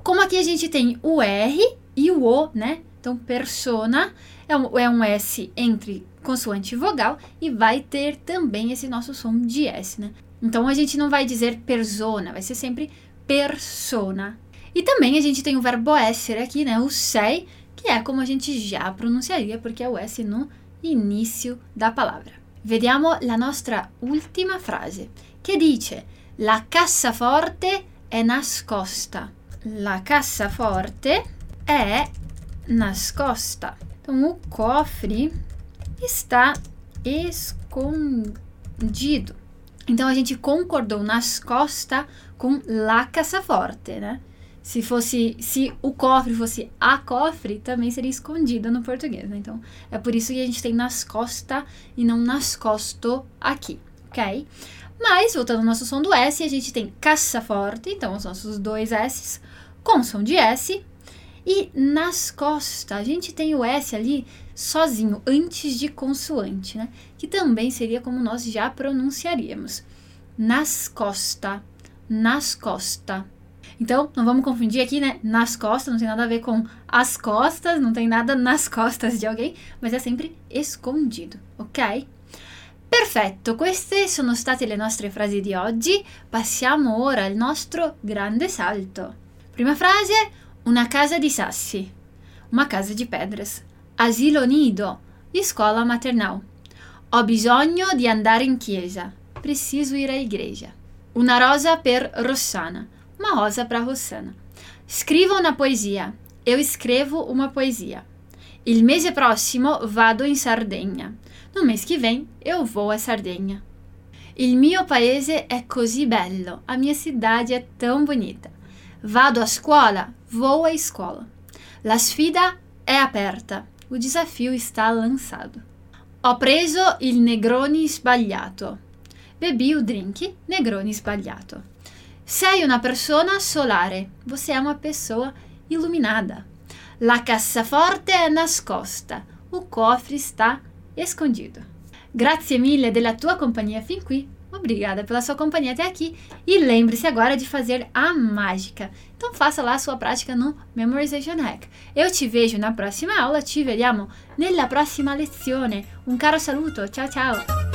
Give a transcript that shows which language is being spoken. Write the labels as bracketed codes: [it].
[pt] Como aqui a gente tem o R e o O, né? Então, persona é um S entre consoante e vogal e vai ter também esse nosso som de S, né? Então, a gente não vai dizer persona, vai ser sempre persona. E também a gente tem o verbo essere aqui, né? O sei, que é como a gente já pronunciaria, porque é o S no início da palavra. [it] Vediamo la nostra ultima frase, che dice la cassaforte è nascosta. La cassaforte è nascosta. [pt] Então, o cofre está escondido. Então, a gente concordou nascosta com la cassaforte, né? Se o cofre fosse a cofre, também seria escondida no português, né? Então, é por isso que a gente tem nascosta e não nascosto aqui, ok? Mas, voltando ao nosso som do S, a gente tem cassaforte, então os nossos dois S's com som de S. E nascosta, a gente tem o S ali sozinho, antes de consoante, né? Que também seria como nós já pronunciaríamos. Nascosta, nascosta. Então, não vamos confundir aqui, né? Nascosta não tem nada a ver com as costas, não tem nada nas costas de alguém, mas é sempre escondido, ok? [it] Perfetto, queste sono state le nostre frasi di oggi. Passiamo ora al nostro grande salto. Prima frase, una casa di sassi, una casa di pedras. Asilo nido, [pt] escola maternal. [it] Ho bisogno di andare in chiesa. [pt] Preciso ir à igreja. [it] Una rosa per Rossana. [pt] Uma rosa para Rossana. [it] Scrivo una poesia. [pt] Eu escrevo uma poesia. [it] Il mese prossimo vado in Sardegna. [pt] No mês que vem eu vou a Sardegna. [it] Il mio paese è così bello. [pt] A minha cidade é tão bonita. [it] Vado a scuola. [pt] Vou à escola. [it] La sfida è aperta. [pt] O desafio está lançado. [it] Ho preso il Negroni sbagliato. [pt] Bebi o drink [it] Negroni sbagliato. Sei una persona solare. [pt] Você é uma pessoa iluminada. [it] La cassaforte è nascosta. [pt] O cofre está escondido. [it] Grazie mille della tua compagnia fin qui. [pt] Obrigada pela sua companhia até aqui. E lembre-se agora de fazer a mágica. Então faça lá a sua prática no Memorization Hack. Eu te vejo na próxima aula. [it] Ci vediamo nella prossima lezione. Un caro saluto. Ciao, ciao.